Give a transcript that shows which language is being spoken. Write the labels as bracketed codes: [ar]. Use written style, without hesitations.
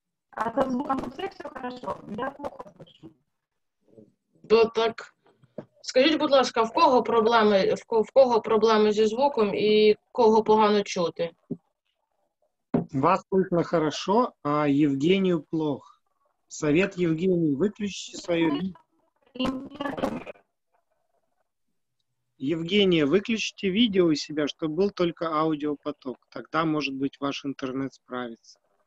[ru] А то звуком все хорошо, я плохо слышу. Да, так. [uk] Скажіть, будь ласка, в кого проблеми зі звуком і кого погано чути? [ru] Вас слышно хорошо, а Евгению плохо. Совет Евгению, выключите свою видео. Евгения, выключите видео у себя, чтобы был только аудиопоток. Тогда, может быть, ваш интернет справится.